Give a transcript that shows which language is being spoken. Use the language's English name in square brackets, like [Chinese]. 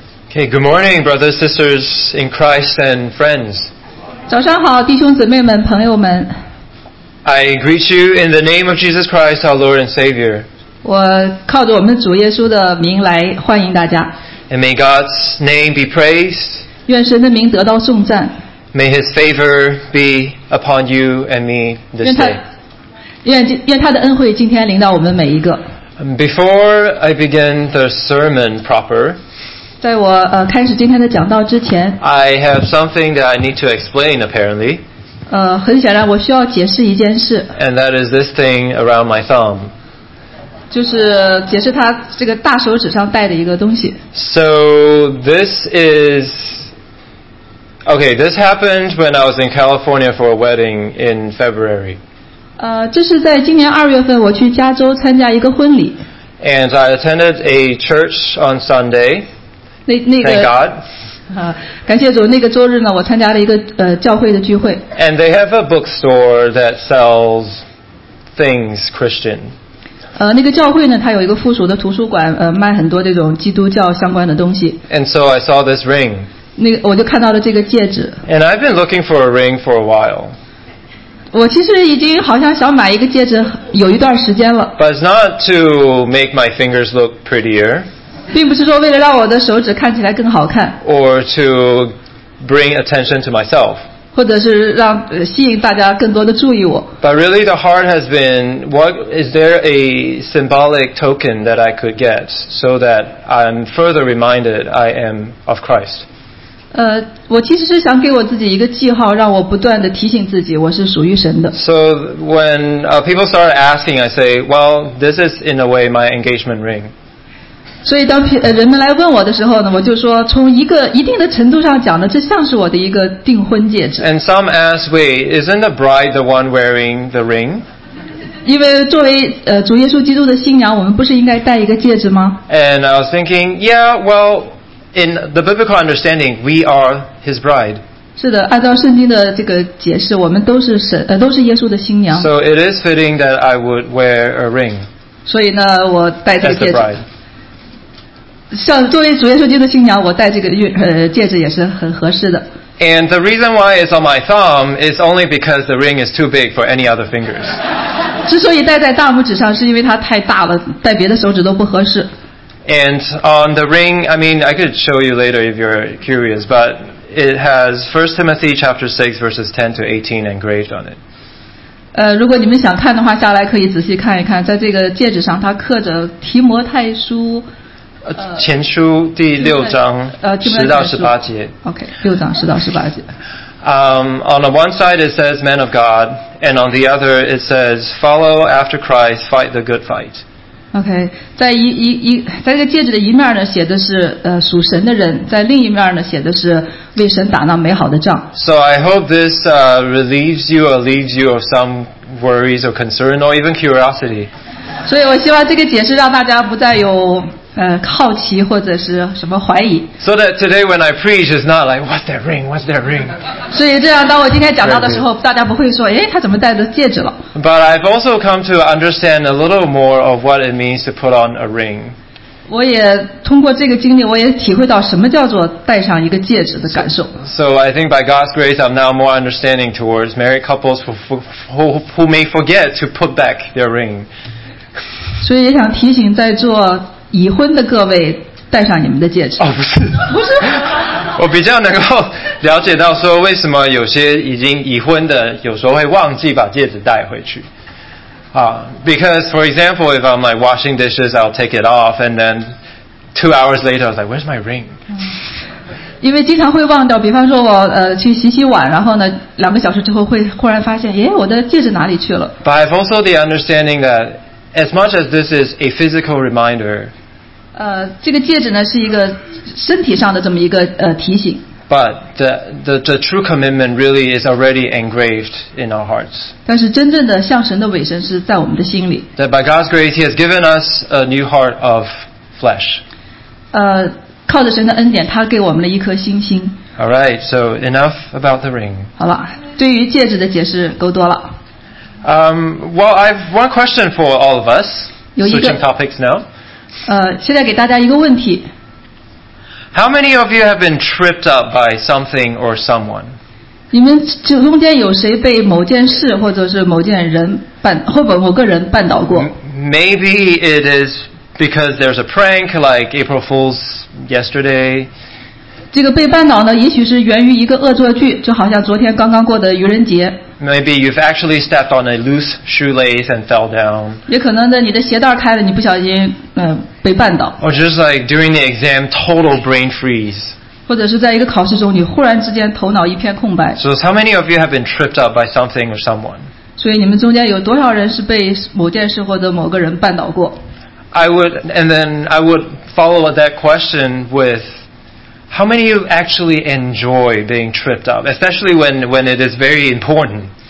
[English] Okay, good morning, brothers, sisters in Christ and friends. [Chinese] 早上好，弟兄姊妹们，朋友们。 [English] I greet you in the name of Jesus Christ, our Lord and Savior. [Chinese] 我靠着我们主耶稣的名来欢迎大家。 [English] And may God's name be praised. [Chinese] 愿神的名得到颂赞。 [English] May His favor be upon you and me this day. [Chinese] 愿他的恩惠今天临到我们每一个。 [English] Before I begin the sermon proper, [Chinese] 在我开始今天的讲道之前 [English] ，I have something that I need to explain. Apparently, [Chinese] 很显然我需要解释一件事。 [English] And that is this thing around my thumb. [Chinese] 就是解释它这个大手指上戴的一个东西。 [English] So this is okay. This happened when I was in California for a wedding in February. [Chinese] 这是在今年二月份我去加州参加一个婚礼。 [English] And I attended a church on Sunday. [Chinese] 那个、 [English] Thank God. [Chinese] 感谢主，那个周日呢，我参加了一个教会的聚会。 [English] And they have a bookstore that sells things Christian. [Chinese] 那个教会呢，它有一个附属的图书馆，卖很多这种基督教相关的东西。 [English] And so I saw this ring. [Chinese] 我就看到了这个戒指。 [English] And I've been looking for a ring for a while. [Chinese] 我其实已经好像想买一个戒指有一段时间了。 [English] But it's not to make my fingers look prettier. [Chinese] 并不是说为了让我的手指看起来更好看。 [English] Or to bring attention to myself. [Chinese] 或者是让吸引大家更多的注意我。 [English] But really the heart has been, what, is there a symbolic token that I could get so that I'm further reminded I am of Christ? [Chinese] 我其实是想给我自己一个记号，让我不断地提醒自己我是属于神的。 [English] So when people start asking, I say, well, this is in a way my engagement ring. [Chinese] 所以当人们来问我的时候呢，我就说从一定的程度上讲呢，这像是我的一个订婚戒指。 [English] And some ask, wait, isn't the bride the one wearing the ring? [Chinese] 因为作为主耶稣基督的新娘，我们不是应该戴一个戒指吗？ [English] And I was thinking, yeah, well,In the biblical understanding, we are His bride. [Chinese] 是的，按照圣经的这个解释，我们都是神，都是耶稣的新娘。 [English] So it is fitting that I would wear a ring. [Chinese] 所以呢，我戴这个戒指。 [English] As the bride. [Chinese] 像作为主耶稣基督的新娘，我戴这个戒指也是很合适的。 [English] And the reason why it's on my thumb is only because the ring is too big for any other fingers. [Chinese] 之所以戴在大拇指上，是因为它太大了，戴别的手指都不合适。 [English] And on the ring, I mean, I could show you later if you're curious, but it has 1 Timothy chapter 6 verses 10 to 18 engraved on it. [Chinese] 如果你们想看的话，下来可以仔细看一看，在这个戒指上，它刻着提摩太书，前书第六章十到十八节。 Okay, 六章十到十八节。 [English] On the one side it says, "Men of God," and on the other it says, "Follow after Christ, fight the good fight." [Chinese] OK, 在这个戒指的一面呢写的是属神的人，在另一面呢写的是为神打那美好的仗。 [English] So I hope this relieves you or leaves you of some worries or concern or even curiosity. [Chinese] 所以我希望这个解释让大家不再有好奇或者是什么怀疑。 [English] So that today when I preach is not like, what's that ring? What's that ring? [Chinese] 所以这样当我今天讲到的时候，大家不会说诶他怎么戴着戒指了。 [English] But I've also come to understand a little more of what it means to put on a ring. [Chinese] 我也通过这个经历，我也体会到什么叫做戴上一个戒指的感受。 [English] So I think by God's grace, I'm now more understanding towards married couples who may forget to put back their ring. [Chinese] 所以也想提醒在座已婚的各位，戴上你们的戒指。哦，不是，不是。我比较能够了解到说，为什么有些已经已婚的，有时候会忘记把戒指带回去。 [English] Because for example, if I'm like washing dishes, I'll take it off, and then 2 hours later, I was like, "Where's my ring?" [Chinese] 因为经常会忘掉，比方说我去洗洗碗，然后呢，两个小时之后会忽然发现，耶，我的戒指哪里去了 [English] ？But I've also the understanding that. As much as this is a physical reminder, [Chinese] 这个戒指呢是一个身体上的这么一个提醒。 [English] But the true commitment really is already engraved in our hearts. [Chinese] 但是真正的向神的委身是在我们的心里。 [English] That by God's grace, He has given us a new heart of flesh. [Chinese] 靠着神的恩典，他给我们了一颗新心。 [English] All right, so enough about the ring. [Chinese] 好了，对于戒指的解释够多了。 [English] Well, I have one question for all of us. Switching topics now. [Chinese] 现在给大家一个问题。 [English] How many of you have been tripped up by something or someone? [Chinese] 你们中间有谁被某件事或者是某件人绊，或者某个人绊倒过？ [English] Maybe it is because there's a prank like April Fool's yesterday. [Chinese] 这个被绊倒呢，也许是源于一个恶作剧，就好像昨天刚刚过的愚人节。 [English] Maybe you've actually stepped on a loose shoelace and fell down. [Chinese] 也可能呢，你的鞋带开了，你不小心被绊倒。 [English] Or just like during the exam, total brain freeze. [Chinese] 或者是在一个考试中，你忽然之间头脑一片空白。 [English] So how many of you have been tripped up by something or someone? [Chinese] 所以你们中间有多少人是被某件事或者某个人绊倒过？ [English] I would follow that question with, how many of you actually enjoy being tripped up, especially when it is very important?